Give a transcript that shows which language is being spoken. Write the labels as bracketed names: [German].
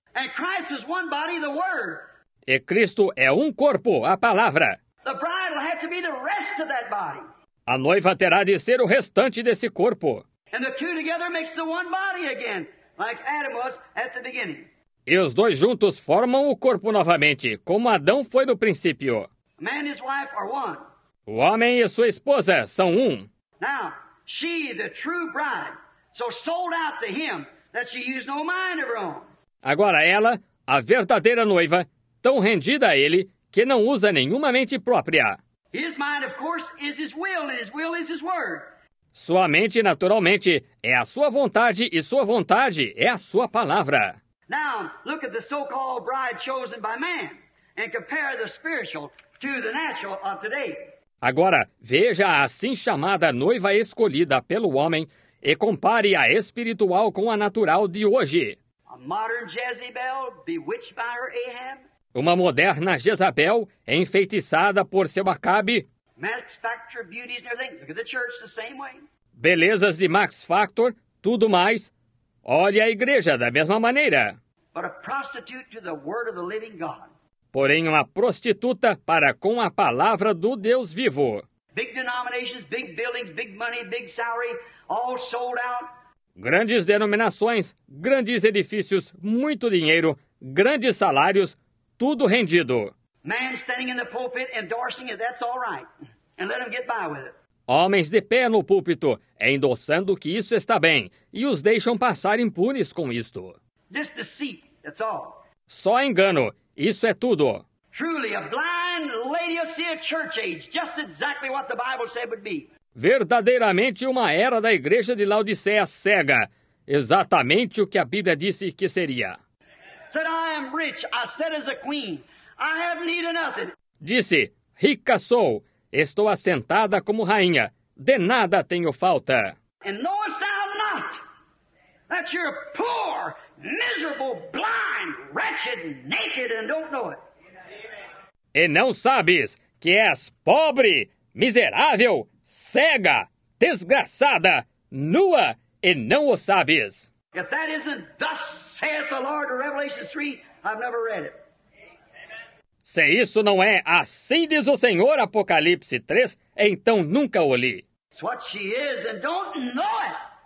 [English] And Christ is one body, the word. [Portuguese] E Cristo é um corpo, a palavra. [English] The bride will have to be the rest of that body. [Portuguese] A noiva terá de ser o restante desse corpo. [English] And the two together makes the one body again, like Adam was at the beginning. [Portuguese] E os dois juntos formam o corpo novamente, como Adão foi no princípio. [English] Man and his wife are one. [Portuguese] O homem e sua esposa são um. [English] Now, she, the true bride, so sold out to him that she used no mind of her own. [Portuguese] Agora ela, a verdadeira noiva, tão rendida a ele que não usa nenhuma mente própria. [English] His mind, of course, is his will, and his will is his word. [Portuguese] Sua mente, naturalmente, é a sua vontade, e sua vontade é a sua palavra. [English] Now, look at the so-called bride chosen by man and compare the spiritual to the natural of today. [Portuguese] Agora, veja a assim chamada noiva escolhida pelo homem e compare a espiritual com a natural de hoje. [English] A modern Jezebel, bewitched by her Ahab. [Portuguese] Uma moderna Jezabel enfeitiçada por seu Acabe. [English] Max Factor, beauties, everything. Look at the church the same way. [Portuguese] Belezas de Max Factor, tudo mais. Olhe a igreja da mesma maneira. [English] But a prostitute to the word of the living God. [Portuguese] Porém, uma prostituta para com a palavra do Deus vivo. [English] Big denominations, big buildings, big money, big salary, all sold out. [Portuguese] Grandes denominações, grandes edifícios, muito dinheiro, grandes salários, tudo rendido. [English] Man standing in the pulpit endorsing it, that's all right. And let him get by with it. [Portuguese] Homens de pé no púlpito, endossando que isso está bem, e os deixam passar impunes com isto. [English] Just deceit, that's all. [Portuguese] Só engano. Isso é tudo. [English] Truly a blind Laodicea church age, just exactly what the Bible said would be. [Portuguese] Verdadeiramente uma era da igreja de Laodiceia cega, exatamente o que a Bíblia disse que seria. [English] Said, I am rich, I said as a queen, I have need of nothing. [Portuguese] Disse, rica sou, estou assentada como rainha, de nada tenho falta. [English] And knowest thou not that you're poor, miserable, blind, wretched, naked, and don't know it. [Portuguese] E não sabes que és pobre, miserável, cega, desgraçada, nua, e não o sabes. [English] If that isn't thus saith the Lord in Revelation 3, I've never read it. [Portuguese] Se isso não é assim diz o Senhor, Apocalipse 3, então nunca o li. [English] It's what she is and don't know it.